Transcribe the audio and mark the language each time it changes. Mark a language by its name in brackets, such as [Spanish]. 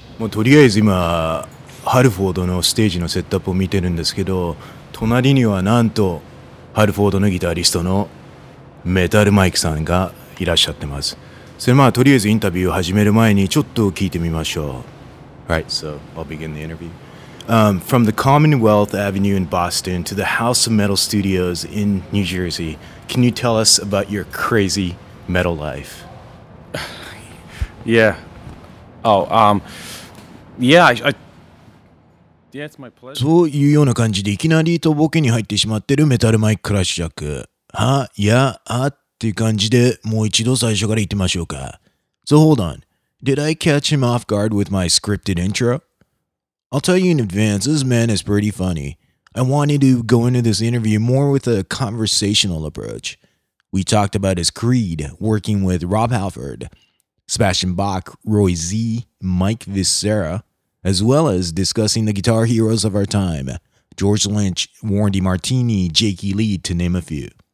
[Japanese] とりあえず今ハルフォードのステージのセットアップを見てるんですけど、隣にはなんとハルフォードのギタリストのメタルマイクさんがいらっしゃってます。それまあとりあえずインタビューを始める前にちょっと聞いてみましょう。 [English] Right, so I'll begin the interview. From the Commonwealth Avenue in Boston to the House of Metal Studios in New Jersey, can you tell us about your crazy metal life? Yeah, it's my pleasure. [Japanese] そういうような感じでいきなりとボケに入ってしまってるメタルマイク・クラシアック。は、や、あっていう感じでもう一度最初から言ってみましょうか。 [English] So hold on. Did I catch him off guard with my scripted intro? I'll tell you in advance, this man is pretty funny. I wanted to go into this interview more with a conversational approach. We talked about his creed, working with Rob Halford, Sebastian Bach, Roy Z, Mike Viscera, as well as discussing the guitar heroes of our time, George Lynch, Warren DeMartini, Jakey Lee, to name a few.